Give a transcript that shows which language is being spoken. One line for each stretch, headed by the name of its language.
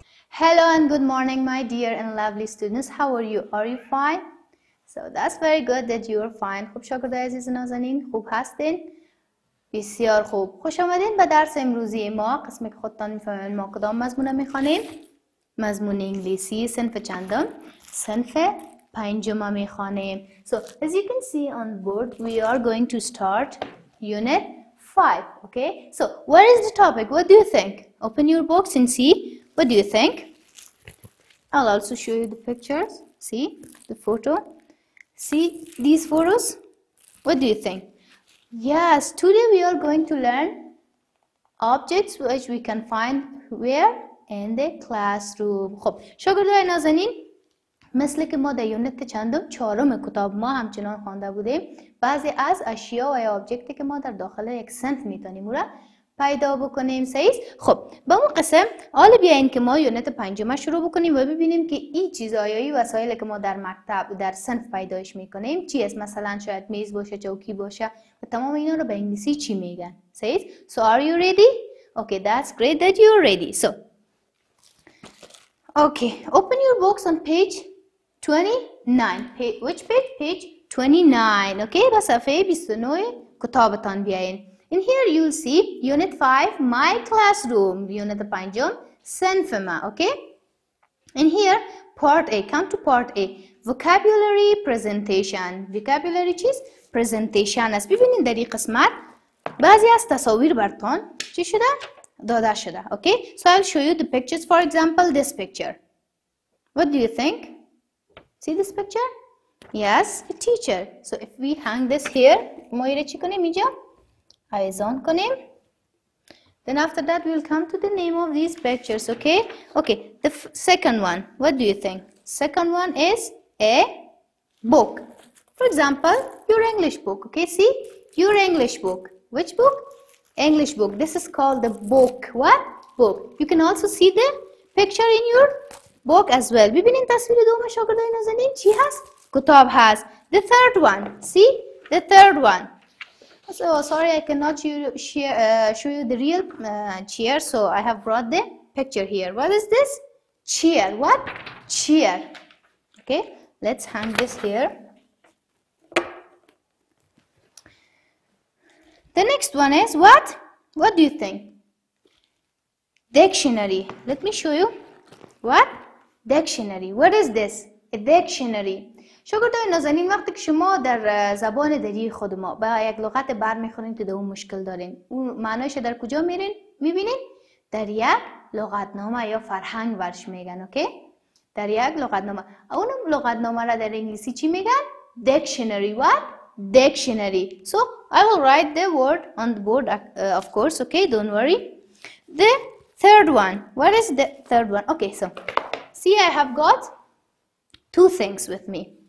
English: Hello and good morning, my dear and lovely students. How are you? Are you fine? So that's very good that you are fine.
Persian: خوب شاگردای عزیز نازنین، خوب هستین؟ بسیار خوب. خوش آمدین به درس امروزی ما. قسمی که خودتان میفهمین ما کدام مضمون میخوانیم؟ مضمون انگلیسی صنف چندم؟ صنف پنجم میخوانیم.
English: So as you can see on board, we are going to start unit 5. Okay? So what is the topic? What do you think? Open your books and see. What do you think? I'll also show you the pictures. See the photo. See these photos? What do you think? Yes, today we are going to learn objects which we can find where in the classroom.
Persian: خب شاگردای نازنین، مثل که ما در یونت چندم چهارم کتاب ما همچنان خوانده بودیم، بعضی از اشیا و یا آبجکتی که ما در داخل یک صنف میتونیم را پیدا بکنیم. سعیست؟ خب با اون قسم حالا بیاین که ما یونت پنجم شروع بکنیم و ببینیم که این چیزهای ای وسایل که ما در مکتب در صنف پیدایش میکنیم چی است. مثلا شاید میز باشه، چوکی باشه و تمام اینا رو به انگلیسی چی میگن. سعیست؟
English: So are you ready? Okay, that's great that you're ready. So okay, open your books on page 29.
Persian: Okay, با صفحه 29 کتابتان بیاین.
English: In here you'll see unit 5, my classroom, unit 5, senfema, okay? In here, part A, come to part A, vocabulary presentation.
Persian: Vocabulary چیز؟ Presentation است. ببینید در این قسمت بعضی از تصاویر برتون چی شده؟ داده شده, okay?
English: So I'll show you the pictures, for example, this picture. What do you think? See this picture? Yes, a teacher. So if we hang this here,
Persian: ما ایره چی کنیم اینجا؟
English: Eyes on کنیم. Then after that we'll come to the name of these pictures. Okay? Okay. The second one. What do you think? Second one is a book. For example, your English book. Okay? See? Your English book. Which book? English book. This is called the book. What? Book. You can also see the picture in your book as well.
Persian: ببینین تصویر دوم شاگردای نازنین چی هست؟ کتاب هست.
English: The third one. See? The third one. So sorry, I cannot show you the real chair, so I have brought the picture here. What is this? Chair. What? Chair. Okay, let's hang this here. The next one is what? What do you think? Dictionary. Let me show you. What? Dictionary. What is this? A dictionary.
Persian: شاگردای نازنین، وقتی که شما در زبان دری خود ما با یک لغت برمیخورین تو دوم مشکل دارین، اون معنایش در کجا میرین؟ میبینین؟ در یک لغتنامه یا فرهنگ ورش میگن. اوکی؟ در یک لغتنامه. اون لغتنامه را در انگلیسی چی میگن؟ Dictionary.
English: What? Dictionary. So I will write the word on the board, of course. Okay, don't worry. The third one. What is the third one? Okay, so see, I have got two things with me.